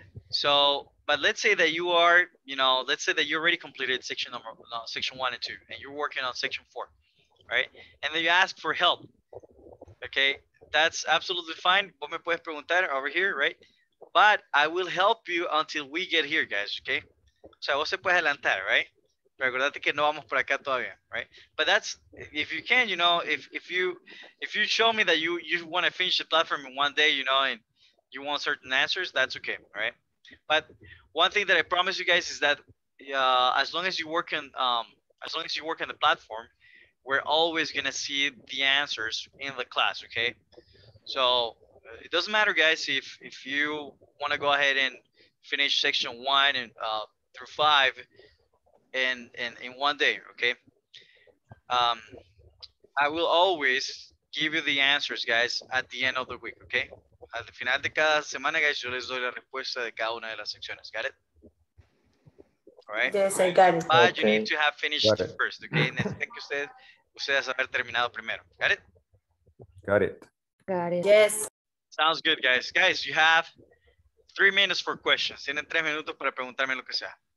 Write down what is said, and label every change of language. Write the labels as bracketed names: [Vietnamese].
[English] So, but let's say that you are, you know, let's say that you already completed section 1 and 2, and you're working on section 4, right? And then you ask for help, okay? That's absolutely fine. [Spanish] Vos me puedes preguntar [English] over here, right? But I will help you until we get here, guys, okay? [Spanish] O sea, vos se puedes adelantar, right? Recordate que no vamos por acá todavía, right? [English] But that's, if you can, you know, if you show me that you want to finish the platform in one day, you know, and you want certain answers, that's okay, all right? But one thing that I promise you guys is that as long as you work in as long as you work on the platform, we're always gonna see the answers in the class, okay? So it doesn't matter, guys, if you wanna go ahead and finish section one and through five in one day, okay? I will always give you the answers, guys, at the end of the week, okay? [Spanish] Al final de cada semana, guys, yo les doy la respuesta de cada una de las secciones. [English] Got it? All right? Yes, I got it. But okay, you need to have finished the first, okay? [Spanish] Necesitan que ustedes haber terminado primero. Got it? [English] Got it. Got it. Yes. Sounds good, guys. Guys, you have 3 minutes for questions. [Spanish] Tienen 3 minutos para preguntarme lo que sea.